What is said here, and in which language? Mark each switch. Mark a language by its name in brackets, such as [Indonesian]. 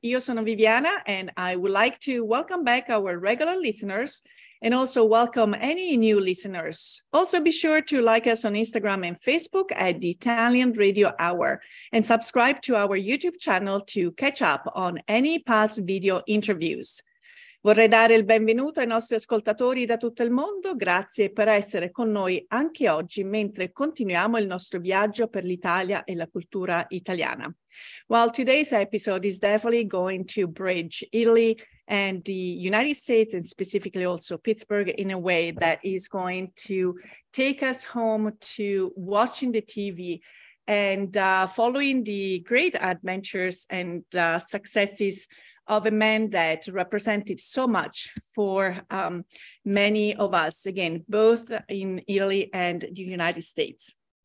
[Italian] Io sono [English] Viviana and I would like to welcome back our regular listeners and also welcome any new listeners. Also be sure to like us on Instagram and Facebook at the Italian Radio Hour and subscribe to our YouTube channel to catch up on any past video interviews. [Italian] Vorrei dare il benvenuto ai nostri ascoltatori da tutto il mondo. Grazie per essere con noi anche oggi mentre continuiamo il nostro viaggio per l'Italia e la cultura italiana. [English] Well, today's episode is definitely going to bridge Italy and the United States and specifically also Pittsburgh in a way that is going to take us home to watching the TV and following the great adventures and successes of a man that represented so much for many of us, again, both in Italy and the United States.